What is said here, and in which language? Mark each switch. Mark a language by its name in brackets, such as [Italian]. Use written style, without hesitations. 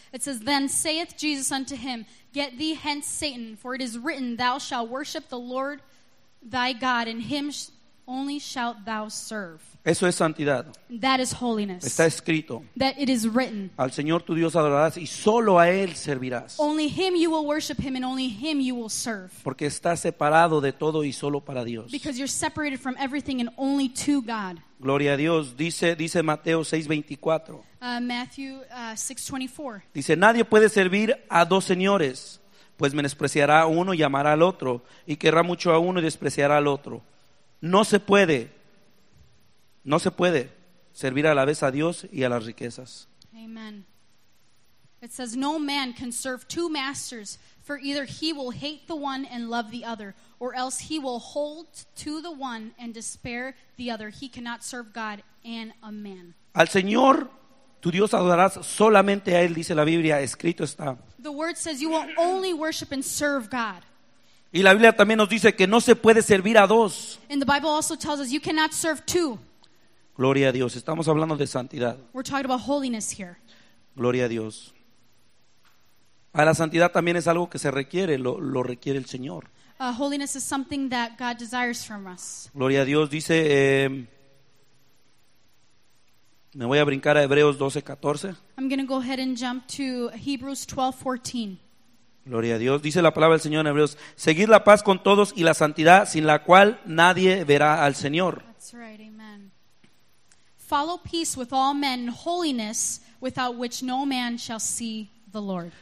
[English] It says, Then saith Jesus unto him, Get thee hence, Satan, for it is written, Thou shalt worship the Lord thy God, and Him only shalt thou serve. [Spanish] Eso es santidad. [English] That is holiness. [Spanish] Está escrito. [English] That it is written. [Spanish] Al Señor tu Dios adorarás y solo a Él servirás. [English] Only Him you will worship Him and only Him you will serve. [Spanish] Porque estás separado de todo y solo para Dios. [English] Because you're separated from everything and only to God. [Spanish] Gloria a Dios. Dice Mateo 6:24. [English] Matthew 6:24. [Spanish] Dice, nadie puede servir a dos señores, pues menospreciará a uno y amará al otro, y querrá mucho a uno y despreciará al otro. No se puede. No se puede servir a la vez a Dios y a las riquezas. [English] Amen. It says, no man can serve two masters, for either he will hate the one and love the other, or else he will hold to the one and despair the other. He cannot serve God and a man. [Spanish] Al Señor, tu Dios adorarás solamente a Él, dice la Biblia, escrito está. [English] The word says you will only worship and serve God. [Spanish] Y la Biblia también nos dice que no se puede servir a dos. [English] And the Bible also tells us you cannot serve two. [Spanish] Gloria a Dios. Estamos hablando de santidad. [English] We're talking about holiness here. [Spanish] Gloria a Dios. A la santidad también es algo que se requiere, lo requiere el Señor. [English] Holiness is something that God desires from us. [Spanish] Gloria a Dios. Dice, me voy a brincar a Hebreos 12:14. [English] I'm going to go ahead and jump to Hebrews 12:14. [Spanish] Gloria a Dios. Dice la palabra del Señor en Hebreos, seguid la paz con todos y la santidad, sin la cual nadie verá al Señor. [English] That's right, amen. Follow peace with all men, holiness without which no man shall see the Lord.